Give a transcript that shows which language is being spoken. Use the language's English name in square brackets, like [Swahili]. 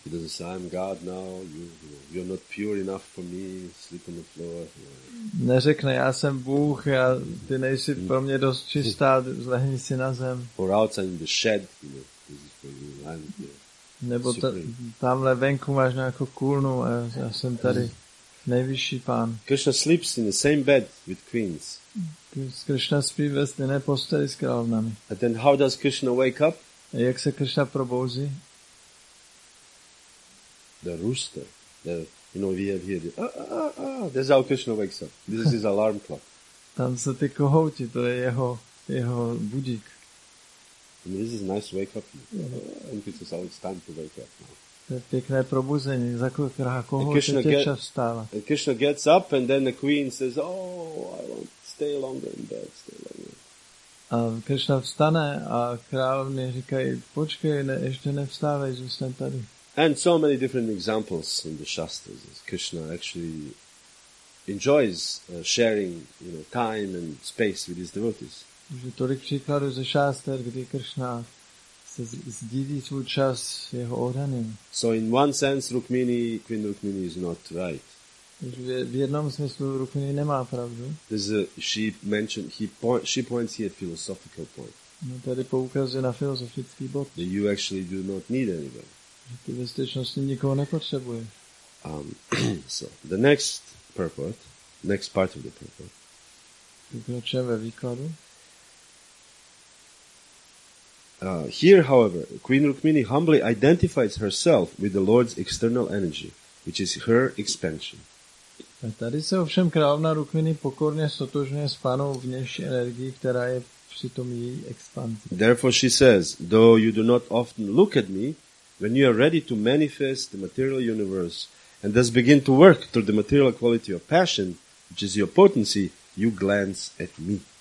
[English] He doesn't say, I'm God now, you're not pure enough for me, sleep on the floor. [Czech] Neřekne, já jsem Bůh, já, ty nejsi pro mě dost čistá, zlehni si na zem. [English] Or outside in the shed, you know, this is for you, I'm here. [Czech] Nebo tamhle venku máš nějakou kůlnu a já jsem tady nejvyšší pán. [English] Krishna sleeps in the same bed with queens. [Czech] Krishna spí ve stejné posteli s královnami. [English] And then how does Krishna wake up? [Czech] A jak se Krishna probouzí? [English] The rooster. You know, we have here the, that's how Krishna wakes up. This is his alarm clock. [Czech] Tam se ty kohouti, to je jeho budík. [English] I mean, this is nice wake up. It's time to wake up. [Czech] To je pěkné probuzení. Za kraha kohouti se tě čas vstává. [English] And Krishna gets up and then the queen says, oh, I won't stay longer in bed. Stay longer. [Czech] A Krishna vstane a královny říkají, počkej, ne, ještě nevstávej, zůstaň tady. [English] And so many different examples in the Shastras. Krishna actually enjoys sharing, you know, time and space with his devotees. [Czech] Je tolik příkladů ze šastr, kdy Krishna se sdílí svůj čas s jeho oddaným. [English] So in one sense, Rukmini, Queen Rukmini is not right. [Czech] V jednom smyslu Rukmini nemá pravdu. [English] She points here a philosophical point. [Czech] No, tady poukazuje na filozofický bod. [English] That you actually do not need anybody. [Czech] Že ty ve skutečnosti nikoho nepotřebuje. [English] So the next purport, next part of the purport. [Czech] Pokračujeme ve výkladu. [English] Here, however, Queen Rukmini humbly identifies herself with the Lord's external energy, which is her expansion. [Czech] A tady se ovšem královna Rukmini pokorně sotožňuje s panou vnější energií, která je přitom její expanzí. [English] Therefore she says, though you do not often look at me, when you are ready to manifest the material universe and thus begin to work through the material quality of passion, which is your potency, you glance at me.